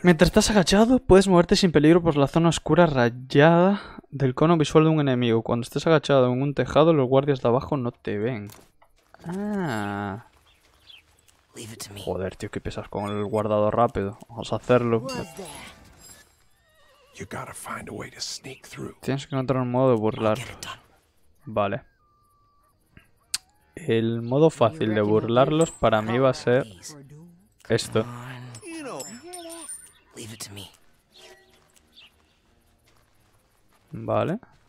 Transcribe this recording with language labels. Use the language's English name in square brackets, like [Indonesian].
[Spanish] Mientras estás agachado, puedes moverte sin peligro por la zona oscura rayada del cono visual de un enemigo. Cuando estés agachado en un tejado, los guardias de abajo no te ven. [English] Leave it to me. [Spanish] Joder, tío, qué pesas con el guardado rápido. Vamos a hacerlo. [English] You gotta find a way to sneak through. [Spanish] Tienes que encontrar un modo de burlarlos. Vale. El modo fácil de burlarlos para mí va a ser esto. Vale.